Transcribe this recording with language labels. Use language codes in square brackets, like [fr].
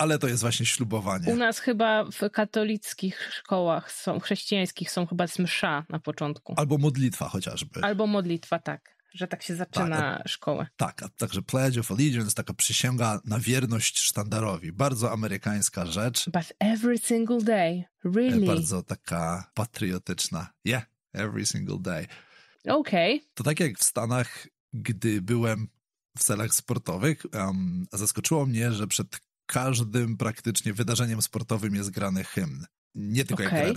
[pl] Ale to jest właśnie ślubowanie. U nas chyba w katolickich szkołach są, chrześcijańskich, są chyba z msza na początku. Albo modlitwa chociażby. Albo modlitwa, tak. Że tak się zaczyna szkołę. Tak, a także Pledge of Allegiance, taka przysięga na wierność sztandarowi. Bardzo amerykańska rzecz. [en] But every single day, really. [pl] Bardzo taka patriotyczna. [en] Yeah. Every single day. Okay. [pl] To tak jak w Stanach, gdy byłem w celach sportowych, zaskoczyło mnie, że przed każdym praktycznie wydarzeniem sportowym jest grany hymn. Nie tylko okay.